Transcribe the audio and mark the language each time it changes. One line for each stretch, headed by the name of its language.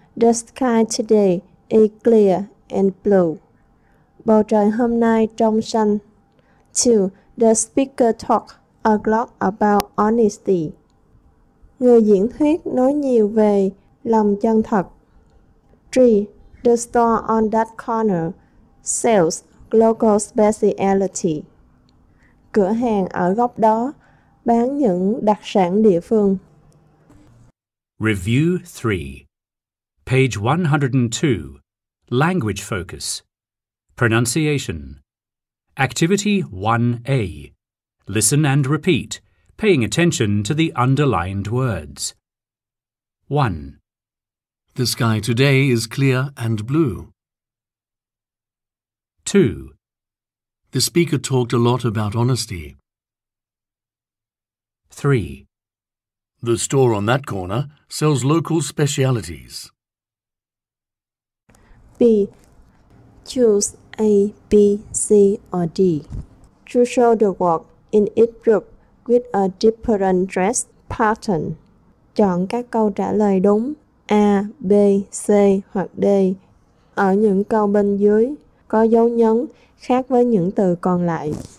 English: The sky today is clear and blue.
Vietnamese: Bầu trời hôm nay trong xanh. 2.
English: The speaker talks a lot about honesty.
Vietnamese: Người diễn thuyết nói nhiều về lòng chân thật.
English: 3. The store on that corner sells local speciality.
Vietnamese: Cửa hàng ở góc đó bán những đặc sản địa phương.
English: Review 3. Page 102. Language focus. Pronunciation. Activity 1A. Listen and repeat. Paying attention to the underlined words. 1. The sky today is clear and blue. 2. The speaker talked a lot about honesty. 3. The store on that corner sells local specialities. B. Choose A, B, C or D. To show the work in each group with a different dress pattern.
Vietnamese: Chọn các câu trả lời đúng A, B, C hoặc D ở những câu bên dưới có dấu nhấn khác với những từ còn lại.